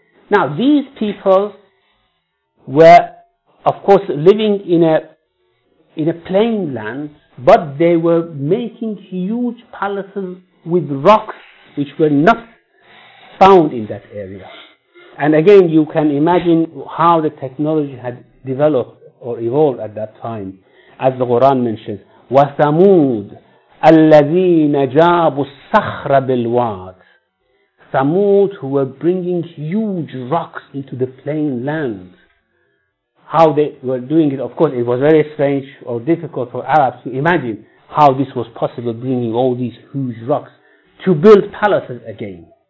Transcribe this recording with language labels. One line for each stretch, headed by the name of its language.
English: Now these people were of course living in a plain land, but they were making huge palaces with rocks which were not found in that area. And again, you can imagine how the technology had developed or evolved at that time. As the Quran mentions,
Arabic: وَثَمُودَ الَّذِينَ جَابُوا الصَّخْرَ بِالْوَادِ.
English: Thamud, who were bringing huge rocks into the plain land. How they were doing it, of course, it was very strange or difficult for Arabs to imagine how this was possible, bringing all these huge rocks to build palaces again.